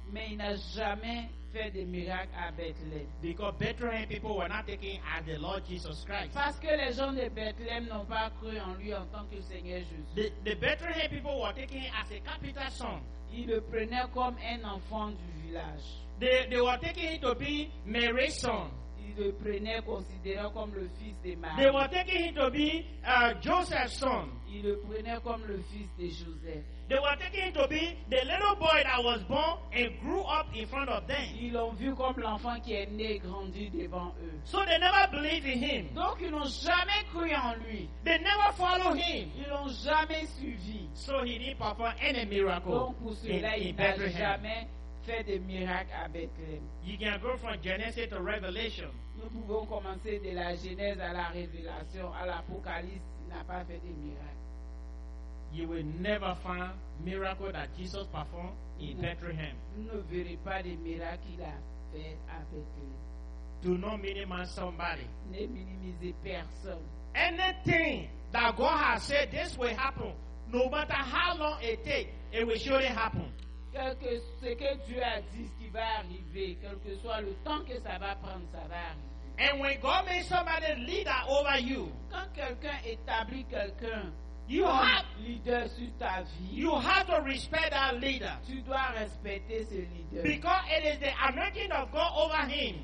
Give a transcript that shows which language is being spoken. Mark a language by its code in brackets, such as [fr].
[fr] Mais il n'a jamais fait de miracle à Bethlehem. [en] Because Bethlehem people were not taking as the Lord Jesus Christ. [fr] Parce que les gens de Bethlehem n'ont pas cru en lui en tant que Seigneur Jésus. [en] The Bethlehem people were taking as a capital son. [fr] Ils le prenaient comme un enfant du village. [en] They were taking him to be Mary's son. [fr] Ils le prenaient considérant comme le fils de Marie. [en] They were taking him to be Joseph's son. [fr] Ils le prenaient comme le fils de Joseph. [en] They were taking him to be the little boy that was born and grew up in front of them. [fr] Ils l'ont vu comme l'enfant qui est né et grandi devant eux. [en] So they never believed in him. [fr] Donc ils n'ont jamais cru en lui. [en] They never followed him. [fr] Ils l'ont jamais suivi. [en] So he didn't perform any miracle. [fr] Donc pour cela il n'a jamais fait de miracles à Bethlehem. [en] You can go from Genesis to Revelation. [fr] Nous pouvons commencer de la Genèse à la Révélation, à l'Apocalypse. Il n'a pas fait de miracles. [en] You will never find miracle that Jesus performed in Bethlehem. [fr] Ne verrez pas les miracles qu'il a fait à Bethlehem. [en] Do not minimize somebody. [fr] Ne minimisez personne. [en] Anything that God has said this will happen, no matter how long it takes, it will surely happen. [fr] Ce que Dieu a dit, ce qui va arriver, quel que soit le temps que ça va prendre, ça va arriver. [en] And when God makes somebody leader over you, [fr] quand quelqu'un établit quelqu'un, [en] you have [fr] leader sur ta vie. [en] You have to respect that leader. [fr] Tu dois respecter ce leader. [en] Because it is the anointing of God over him.